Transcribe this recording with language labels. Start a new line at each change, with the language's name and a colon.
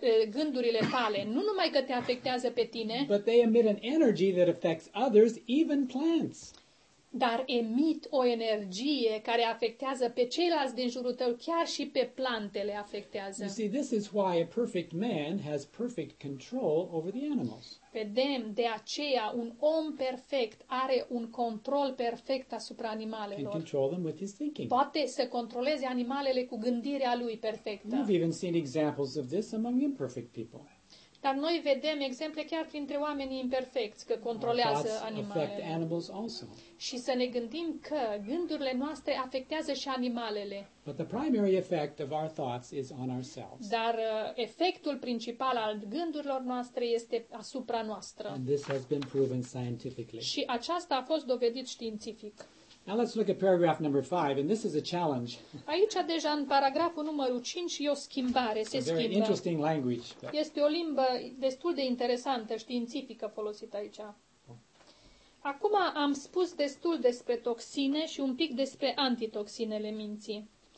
Romanian: gândurile tale nu numai că te afectează pe tine,
English: but they emit an energy that affects others, even plants.
Romanian: Dar emit o energie care afectează pe ceilalți din jurul tău, chiar și pe plantele afectează.
English: You see, this is why a perfect man has perfect control over the animals.
Romanian: Vedem, de aceea un om perfect are un control perfect asupra animalelor.
English: Can control them with his thinking.
Romanian: Poate să controleze animalele cu gândirea lui perfectă.
English: We've even seen examples of this among imperfect people.
Romanian: Dar noi vedem exemple chiar printre oamenii imperfecți că controlează animalele.
English: Also.
Romanian: Și să ne gândim că gândurile noastre afectează și animalele.
English: But the primary effect of our thoughts is on ourselves.
Romanian: Dar efectul principal al gândurilor noastre este asupra noastră.
English: And this has been proven scientifically.
Romanian: Și aceasta a fost dovedit științific.
English: Now let's look at paragraph number 5, and this is a challenge.
Romanian: Aici deja în paragraful numărul 5 e o schimbare, se schimbă.
English: A very interesting language.
Romanian: Este o limbă destul de interesantă, științifică folosită aici. Acum am spus destul despre toxine și un pic despre antitoxinele minții.